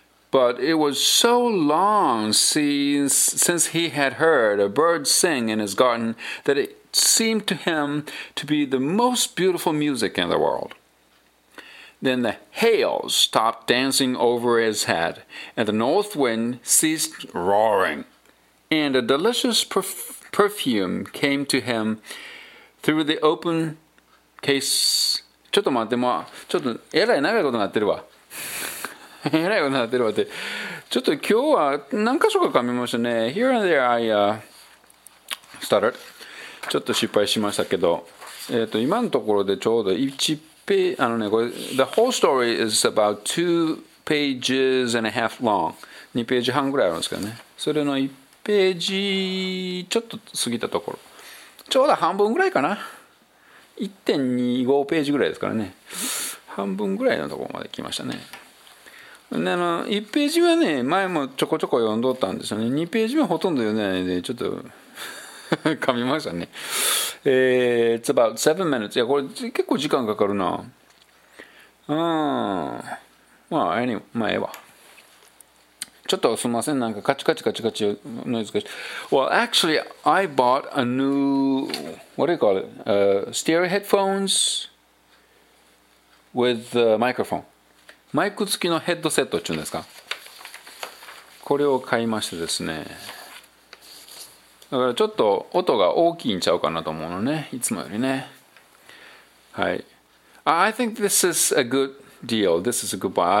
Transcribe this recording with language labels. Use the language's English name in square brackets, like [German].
[English] But it was so long since he had heard a bird sing in his garden that it seemed to him to be the most beautiful music in the world. Then the hail stopped dancing over his head, and the north wind ceased roaring, and a delicious perfume came to him through the open case. [Japanese] ちょっと待って、まあ、ちょっとえらい長いことになってるわ。えらいことになってるわって。ちょっと今日は何箇所か噛みましたね。 [English] Here and there I stuttered. [Japanese] ちょっと失敗しましたけど、今のところでちょうど1ペあのね、これ [English] The whole story is about 2 pages and a half long. [Japanese] 2ページ半ぐらいあるんですけどね。それの1ページちょっと過ぎたところ。ちょうど半分ぐらいかな。1.25 ページぐらいですからね。半分ぐらいのところまで来ましたね。で、1ページはね、前もちょこちょこ読んどったんですよね。2ページ目ほとんど読んでないんで、ちょっと噛みましたね。 [English] It's about 7 minutes. [Japanese] いや、これ結構時間かかるな。まあ、ええわ。ちょっとすみません。なんかカチカチカチカチノイズが。 [English] Well, actually, I bought a new, what do you call it? Stereo headphones with a microphone. [Japanese] マイク付きのヘッドセットっていうんですか。これを買いましてですね。だからちょっと音が大きいんちゃうかなと思うのね。いつもよりね。はい。 [English] I think this is a good... deal. This is a good buy.